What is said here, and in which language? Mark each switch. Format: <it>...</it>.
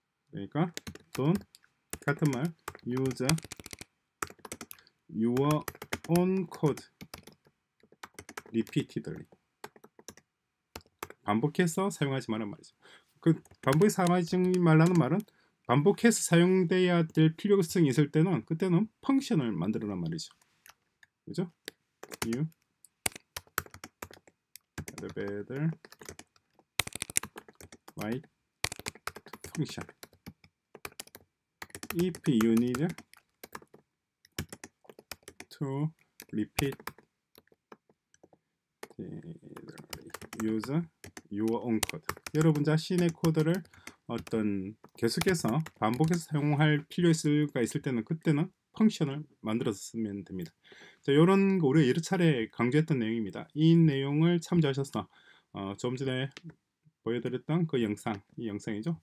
<ko>그러니까</ko> <en>Don't</en> <ko>같은 말</ko> <en>use your own code repeatedly</en> <ko>반복해서 사용하지 말란 말이죠. 그 반복해서 사용하지 말라는 말은 반복해서 사용돼야 될 필요성이 있을 때는 그때는 펑션을 만들어란 말이죠. 그죠?</ko> <en>You had better write function if you need to repeat use your own code.</en> <ko>여러분 자신의 코드를 어떤 계속해서 반복해서 사용할 필요가 있을 때는 그때는 펑션을 만들어서 쓰면 됩니다. 자, 이런 거 우리가 여러 차례 강조했던 내용입니다. 이 내용을 참조하셔서 조금 전에 보여드렸던 그 영상, 이 영상이죠.</ko>